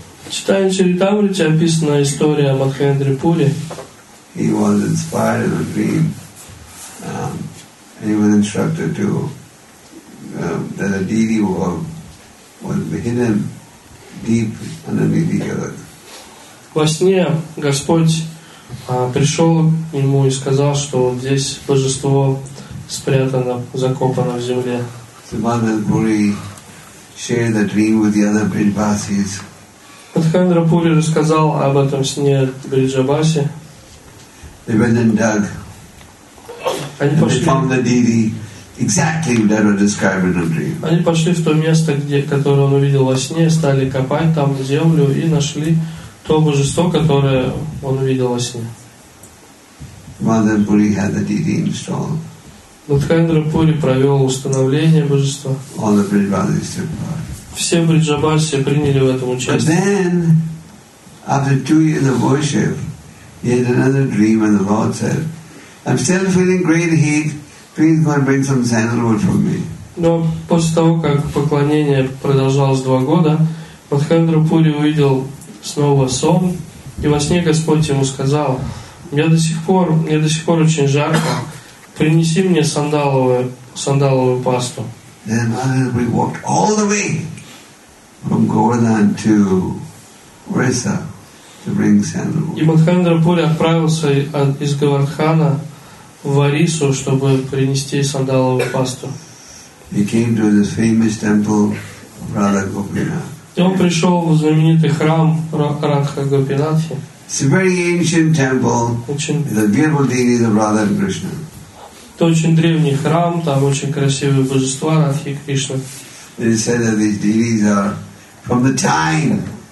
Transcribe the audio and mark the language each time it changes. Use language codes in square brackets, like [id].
[ru] Читая Чаритамриту, описана история о Мадхавендре Пури. [en] He was inspired in a dream, and he was instructed to that a deity was hidden deep underneath the earth. [ru] Во сне Господь пришел ему и сказал, что вот здесь божество спрятано, закопано в земле. [en] Мадхавендра Пури shared the dream with the other Бриджабасис. [ru] Мадхавендра Пури рассказал об этом сне Бриджабасе. [en] They went and dug. [ru] Они [en] and [ru] пошли, [en] they found the deity exactly that was described in the dream. [ru] Они пошли в то место, где, которое он увидел во сне, стали копать там землю и нашли то божество, которое он увидел во сне. [en] Mother Puri had the deity installed. [ru] Мадхавендра Пури провел установление божества. [en] All the Бриджабасис took part. [ru] Все Бриджабасис приняли в этом участие. [en] But then, after 2 years of worship, yet another dream, and the Lord said, "I'm still feeling great heat. Please go and bring some sandalwood for me." [ru] Но после того, как поклонение продолжалось 2 года, Мадхавендра Пури увидел снова сон, и во сне Господь ему сказал: "Мне до сих пор очень жарко. Принеси мне сандаловую пасту." [en] Then we walked all the way from Govardhan to Orissa. [ru] И Мадхавендра Пури отправился из Говардхана в Орису, чтобы принести сандаловую пасту. [en] He came to the famous temple of Radha Gopinath. [ru] И он пришел в знаменитый храм Радха Гопинатхи. [en] It's a very ancient temple. It's a beautiful deity of Radha and Krishna. [ru] Это очень древний храм, там очень красивые божества Радхи и Кришны. [en] It is said that these deities are from the time.